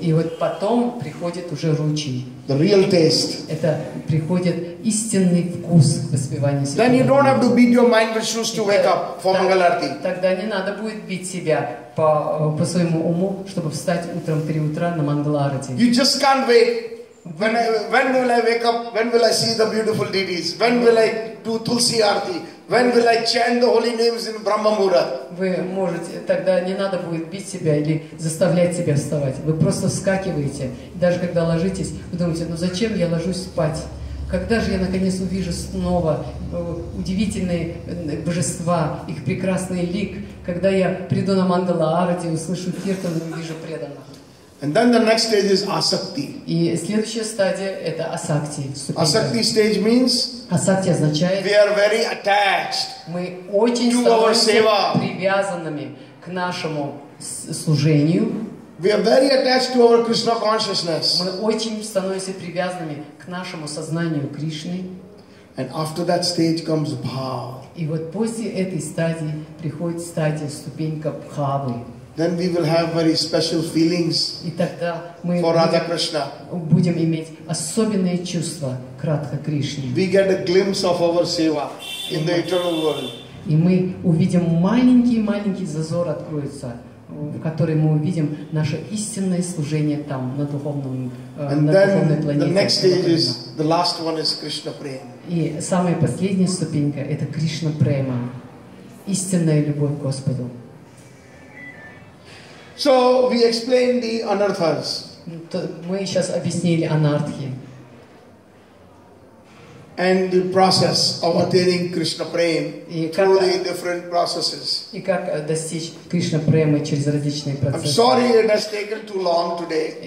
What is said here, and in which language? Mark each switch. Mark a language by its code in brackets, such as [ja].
[ru] И вот потом приходит уже ruchi. [en] The real taste. [ru] Это приходит истинный вкус воспевания себя. [en] Then you don't have to beat your mind with shoes to wake up for Mangalarti. [ru] Тогда не надо будет бить себя по своему уму, чтобы встать утром 3 утра на Мангаларти. [en] You just can't wait. When will I wake up? When will I see the beautiful deities? When will I do Tulsi Arti? When will I chant the holy names in Brahma Mura? [ru] Вы можете, тогда не надо будет бить себя или заставлять себя вставать. Вы просто вскакиваете. Даже когда ложитесь, вы думаете, ну зачем я ложусь спать? Когда же я наконец увижу снова удивительные божества, их прекрасный лик? Когда я приду на Мангала-арати, услышу киртан и увижу преданных? [en] And then the next stage is asakti. [ru] И следующая стадия это асакти. [en] Asakti stage means. [ru] Асакти означает. [en] We are very attached. [ru] Мы очень становимся привязанными к нашему служению. [en] We are very attached to our Krishna consciousness. [ru] Мы очень становимся привязанными к нашему сознанию Кришны. [en] And after that stage comes bhava. [ru] И вот после этой стадии приходит стадия ступенька бхавы. [en] Then we will have very special feelings for Radha Krishna. [ru] Будем иметь особенные чувства к Радха Кришне. [en] We get a glimpse of our seva in the eternal world. [ru] И мы увидим маленький зазор откроется, в который мы увидим наше истинное служение там на духовном планете. [en] The next stage is the last one is Krishna prema. [ru] И самая последняя ступенька это Кришна према, истинная любовь к Господу. [en] So we explained the anarthas. [ru] Мы сейчас объяснили анартхи. [en] And the process of attaining Krishna prema through the different processes. [ru] И как достичь Кришна премы через различные процессы. [en] I'm sorry it has taken too long today.